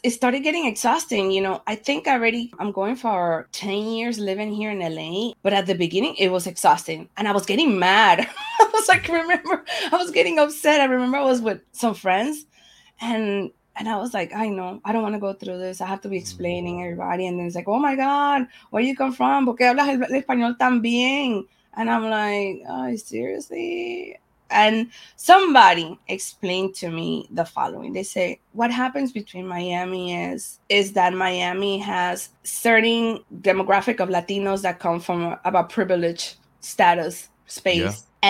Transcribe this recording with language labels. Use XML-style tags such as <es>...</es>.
<en>It started getting exhausting. You know, I think already I'm going for 10 years living here in LA. But at the beginning, it was exhausting. And I was getting mad. I was like, remember, I was getting upset. I remember I was with some friends and I was like, I know, I don't want to go through this. I have to be explaining everybody. And then it's like, oh my God, where you come from?</en> <es>¿Por qué hablas el español tan bien?</es> <en>And I'm like, oh, seriously? And somebody explained to me the following. They say, what happens between Miami is that Miami has certain demographic of Latinos that come from a privileged status space. Yeah.</en>